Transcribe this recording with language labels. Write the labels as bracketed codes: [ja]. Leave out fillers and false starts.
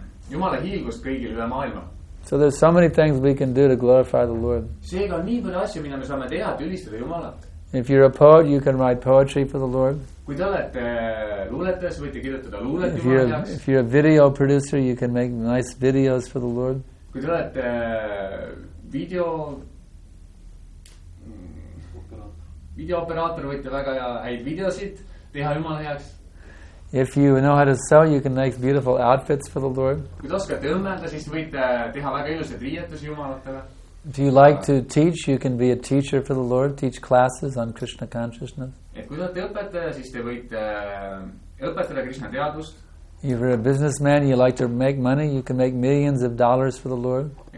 [et] Jumala hiilgust kõigil üle maailma. [en] So there's so many things we can do to glorify the Lord. [et] Seega on nii palju asju, mida me saame teha, ülistada Jumalat. [en] If you're a poet, you can write poetry for the Lord. [et] Kui te olete luuletes, võite kirjutada luulet Jumala heaks. [en] If you're a video producer, you can make nice videos for the Lord. [et] Kui te olete video operaator, võite väga häid videosid teha Jumala heaks. [en] If you know how to sew, you can make beautiful outfits for the Lord. If you like to teach, you can be a teacher for the Lord, teach classes on Krishna consciousness. If you're a businessman, you like to make money, you can make millions of dollars for the Lord.